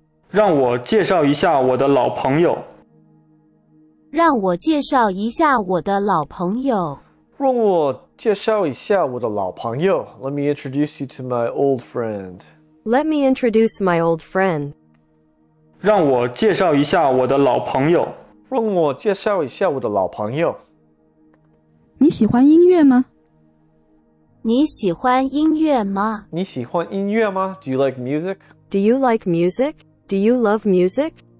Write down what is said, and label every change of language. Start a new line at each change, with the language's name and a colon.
Chinese: 让我介绍一下我的老朋友。让我介绍一下我的老朋友。让我介绍一下我的老朋友。
English: Let me introduce you to my old friend. Let me introduce my old friend.
Chinese: 让我介绍一下我的老朋友。让我介绍一下我的老朋友。你喜欢音乐吗？你喜欢音乐吗？你喜欢音乐吗？
English: Do you like music? Do you like music? Do you love music?